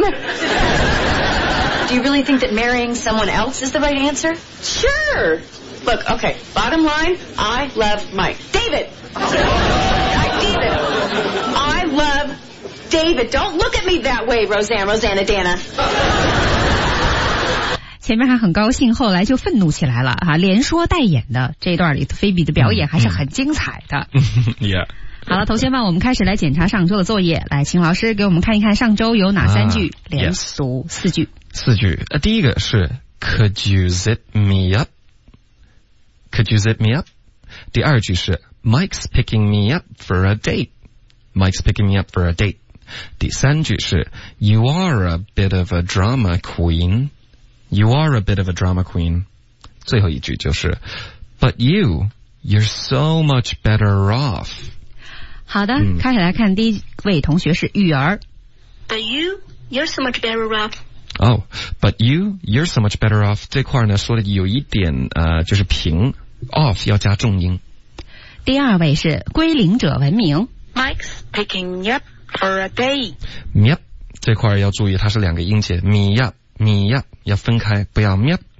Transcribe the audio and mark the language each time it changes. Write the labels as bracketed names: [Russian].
[English] Do you really think that marrying someone else is the right answer? Sure. Look, okay, bottom line, I love Mike. David! David! I love David. Don't look at me that way, Rosanna Dana. [Chinese] 前面还很高兴，后来就愤怒起来了，连说带演的这段里菲比的表演还是很精彩的。 [English] Yeah. [Chinese] 好了，同学们，我们开始来检查上周的作业。来，请老师给我们看一看上周有哪三句连读四句。四句，第一个是 [English] Could you zip me up? Could you zip me up? [Chinese] 第二句是 [English] Mike's picking me up for a date. Mike's picking me up for a date. [Chinese] 第三句是 [English] You are a bit of a drama queen. You are a bit of a drama queen. [Chinese] 最后一句就是 [English] But you, you're so much better off. [Chinese] 好的，开始来看第一位同学是玉儿。 [English] But you, you're so much better off. Oh, but you, you're so much better off. [Chinese] 这块呢说的有一点就是平 off 要加重音。第二位是归零者文明。 [English] Mike's picking me up for a day. [Chinese] Me up 这块要注意，它是两个音节 ，me up, me up 要分开，不要 me up。